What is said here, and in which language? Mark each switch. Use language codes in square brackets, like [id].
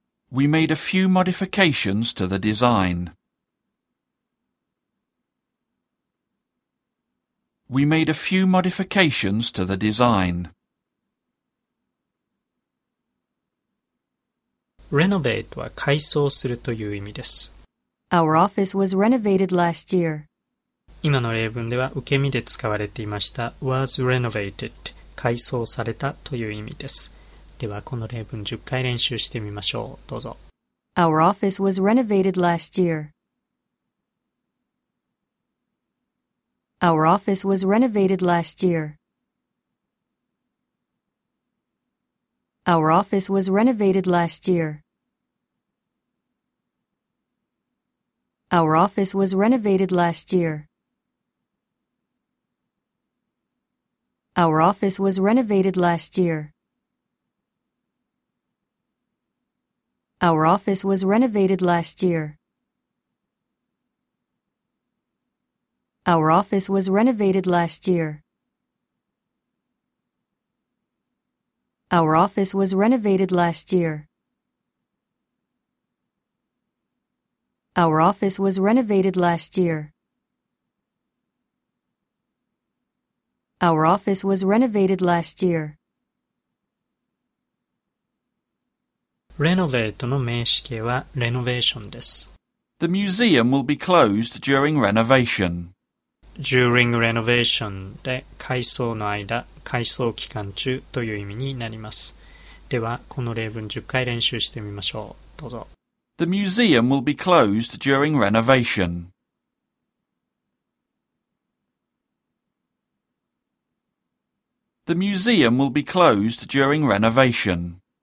[en] We made a few modifications to the design. We made a few modifications to the design. [ja] Renovate は改装するという意味です。 [en] Our office was renovated last year. [ja] 今の例文では受け身で使われていました [en] was renovated [ja] 改装されたという意味です。ではこの例文10回練習してみましょう。どうぞ。 [en] Our office was renovated last year. Our office was renovated last year. Our office was renovated last year. Our office was renovated last year. Our office was renovated last year. Our office was renovated last year. Our office was renovated last year. Our office was renovated last year. Our office was renovated last year. Our office was renovated last year. [ja] Renovate の名詞形は renovation です。 [en] The museum will be closed during renovation. During renovation [ja] で改装の間、改装期間中という意味になります。ではこの例文10回練習してみましょう。どうぞ。 [en] The museum will be closed during renovation. The museum will be closed during renovation.